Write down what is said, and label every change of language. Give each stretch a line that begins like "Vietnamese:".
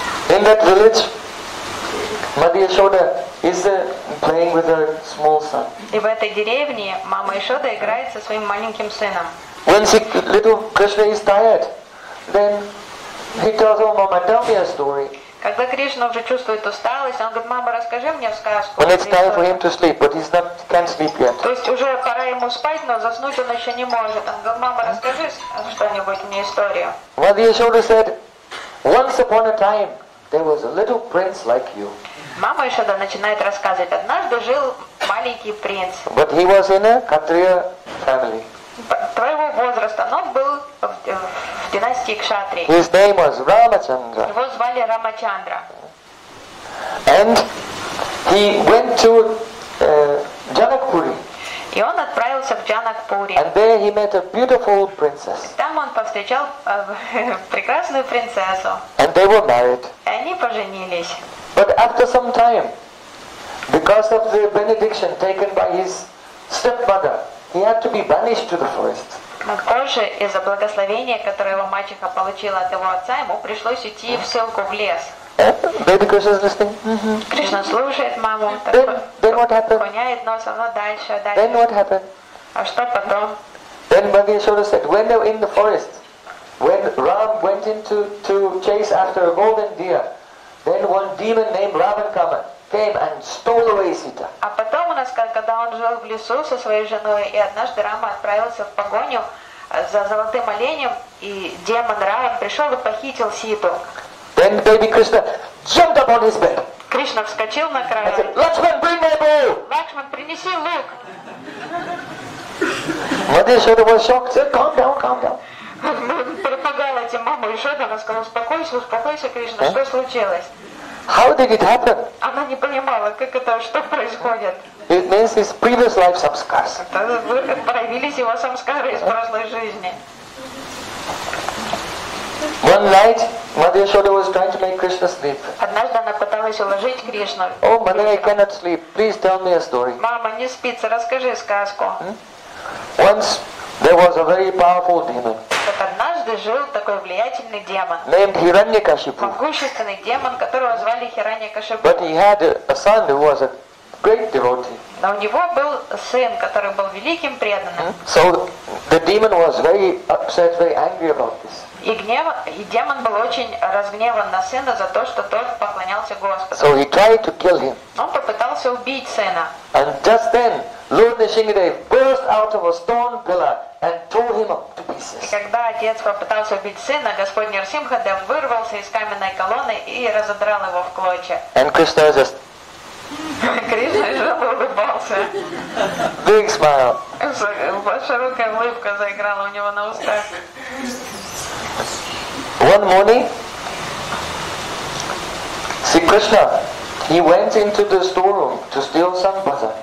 English: In that village, Mother Yashoda is playing with her small son.
Russian: И в этой деревне мама Ишода играет со своим маленьким сыном.
English: When little Krishna is tired, then he tells him, "Mama, tell me a story."
Russian: Когда Кришна уже чувствует усталость, он говорит: "Мама, расскажи мне сказку."
English: When it's time for him to sleep, but he's not can't sleep yet.
Russian: То есть уже пора ему спать, но заснуть он еще не может. Он говорит: "Мама, расскажи что-нибудь мне историю."
English: Well, Yashoda said, "Once upon a time, there was a little prince like you."
Russian: Мама еще да начинает рассказывать: "Однажды жил маленький принц."
English: But he was in a Kshatriya family.
Russian: Твоего возраста, но был в династии Кшатри.
English: His name was Ramachandra.
Russian: Его звали Рамачандра.
English: And he went to Janakpuri.
Russian: И он отправился в Джанакпури.
English: And there he met a beautiful princess.
Russian: Там он повстречал прекрасную принцессу.
English: And they were married.
Russian: И они поженились.
English: But after some time, because of the benediction taken by his stepmother, he had to be banished to the forest.
Russian: Но позже из-за благословения, которое его мачеха получила от его отца, ему пришлось идти в ссылку в лес.
English: Baby Krishna is listening.
Russian: Кришна слушает маму.
English: Then what happened?
Russian: Поняет носа, но дальше, дальше.
English: Then what happened?
Russian: А что потом?
English: Then Mother Yashoda said, when they were in the forest, when Ram went into to chase after a golden deer, then one demon named Ravan came.
Russian: А потом у нас, когда он жил в лесу со своей женой, и однажды Рама отправился в погоню за золотым оленем, и демон Рама пришел и похитил Ситу.
English: Then baby Krishna jumped up on his bed.
Russian: Кришна вскочил на кровать.
English: Лакшман, bring my bow.
Russian: Лакшман, принеси лук.
English: Mother Yashoda was shocked. Said, calm down, calm down.
Russian: Перепугала эти маму Ишода, она сказала: успокойся, успокойся, Кришна, что случилось?
English: How did it happen?
Russian: Она не понимала, как это, что происходит.
English: It means his previous life samskaras.
Russian: Проявились его самскары из прошлой жизни.
English: One night, Mother Yashoda was trying to make Krishna sleep.
Russian: Однажды она пыталась уложить Кришну.
English: Oh, Mother, I cannot sleep. Please tell me a story.
Russian: Мама, не спится, расскажи сказку.
English: Once there was a very powerful demon.
Russian: Однажды жил такой влиятельный демон.
English: Named Hiranyakashipu.
Russian: Могущественный демон, которого звали Хираньякашипу.
English: But he had a son who was a great devotee.
Russian: Но у него был сын, который был великим преданным.
English: So the demon was very upset, very angry about this.
Russian: И демон был очень разгневан на сына за то, что тот поклонялся Господу.
English: So he tried to kill him.
Russian: Он попытался убить сына.
English: And just then, Lord Nrisingadev burst out of a stone pillar and tore him up to pieces.
Russian: И когда отец попытался убить сына, Господь Нрисимхадев вырвался из каменной колонны и разодрал его в клочья.
English: And Krishna just
Russian: Кришна же улыбался.
English: Big smile.
Russian: Широкая улыбка заиграла у него на устах.
English: One morning, Sri Krishna, he went into the storeroom to steal some butter.